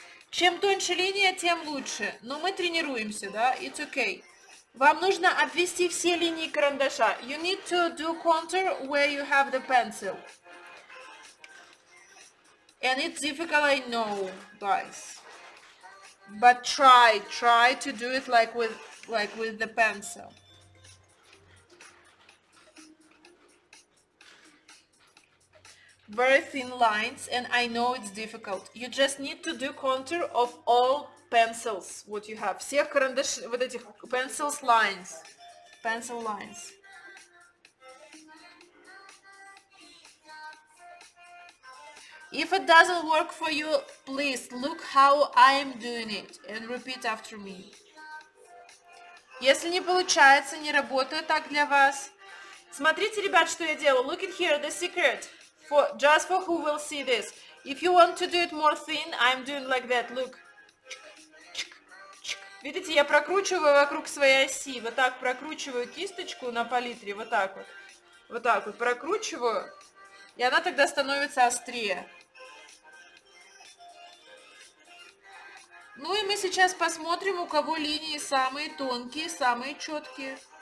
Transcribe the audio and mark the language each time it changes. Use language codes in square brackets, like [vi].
[ru] Чем тоньше линия, тем лучше. Но мы тренируемся, да? [en] It's okay. [ru] Вам нужно обвести все линии карандаша. [en] You need to do contour where you have the pencil. And it's difficult, I know, guys. But try to do it like with the pencil. Very thin lines, and I know it's difficult. You just need to do contour of all pencils, what you have. [ru] Все карандаши, вот эти [en] pencils lines. Pencil lines. If it doesn't work for you, please look how I'm doing it and repeat after me. [ru] Если не получается, не работает так для вас, смотрите, ребят, что я делаю. [en] Look at here, the secret for just for who will see this. If you want to do it more thin, I'm doing like that. Look. [ru] Видите, я прокручиваю вокруг своей оси, вот так прокручиваю кисточку на палитре, вот так вот прокручиваю, и она тогда становится острее. Ну и мы сейчас посмотрим, у кого линии самые тонкие, самые четкие.